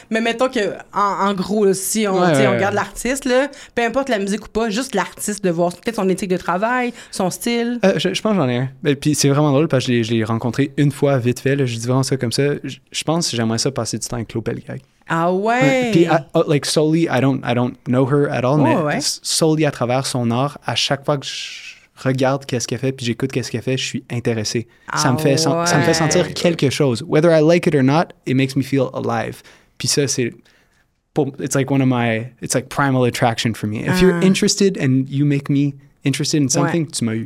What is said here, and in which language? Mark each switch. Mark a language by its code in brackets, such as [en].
[fr] Mais mettons que, en gros, là, si on, ouais, dit, on regarde l'artiste, là, peu importe la musique ou pas, juste l'artiste, de voir peut-être son éthique de travail, son style. Je pense que j'en ai un. Et puis c'est vraiment drôle parce que je l'ai rencontré une fois vite fait. Là, je dis vraiment ça comme ça. Je pense que j'aimerais ça passer du temps avec Claude Pelgag. Ah ouais. [en] Puis like solely, I don't know her at all. [fr] Oh, mais ouais. Solely à travers son art, à chaque fois que je regarde qu'est-ce qu'elle fait puis j'écoute qu'est-ce qu'elle fait, je suis intéressé. Ça me fait sentir quelque chose. [en] Whether I like it or not, it makes me feel alive. [fr] Puis ça c'est, [en] it's like one of my, it's like primal attraction for me. If you're interested and you make me interested in something, [fr] ouais, tu m'as eu.